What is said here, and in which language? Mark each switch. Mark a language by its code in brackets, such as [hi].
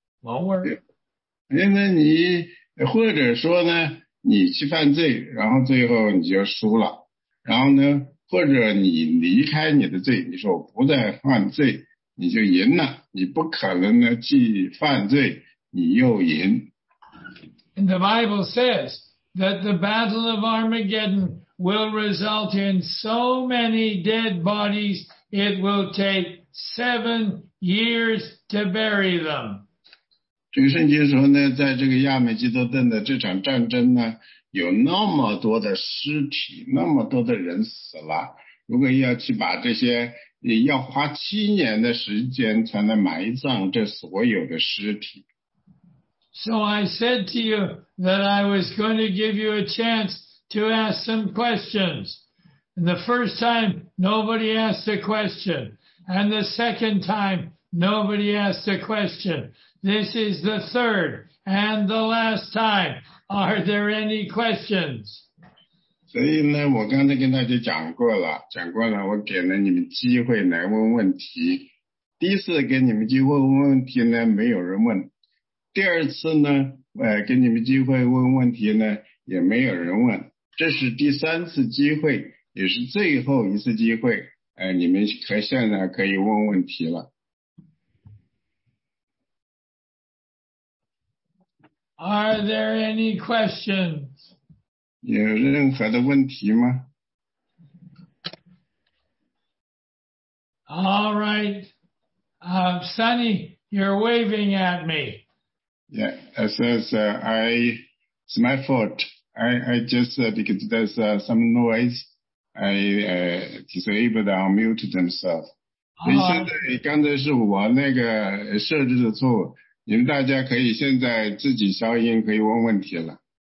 [en] Won't work. [zh] 因为你或者说呢，你去犯罪，然后最后你就输了。然后呢，或者你离开你的罪，你说我不再犯罪，你就赢了。你不可能呢，既犯罪，你又赢。 [en] And the Bible says that the battle of Armageddon will result in so many dead bodies, it will take 7 years to bury them. [zh] 这个圣经说呢，在这个亚美吉多顿的这场战争呢，有那么多的尸体，那么多的人死了，如果要去把这些，要花7年的时间才能埋葬这所有的尸体。 [en] So I said to you that I was going to give you a chance to ask some questions. And the first time, nobody asked a question. And the second time, nobody asked a question. This is the third and the last time. Are there any questions? [zh] 所以呢，我刚才跟大家讲过了，我给了你们机会来问问题。第一次给你们机会问问题呢，没有人问。第二次呢，给你们机会问问题呢，也没有人问。这是第三次机会，也是最后一次机会，你们可现在可以问问题了。 [en] Are there any questions? [zh] 有任何的问题吗？ [en] All right. Sunny, you're waving at me. Yeah, it's my fault. I just, because there's some noise, I disabled and unmuted themselves. [zh] 刚才是我那个设置的错误。你们大家可以现在自己消音，可以问问题了。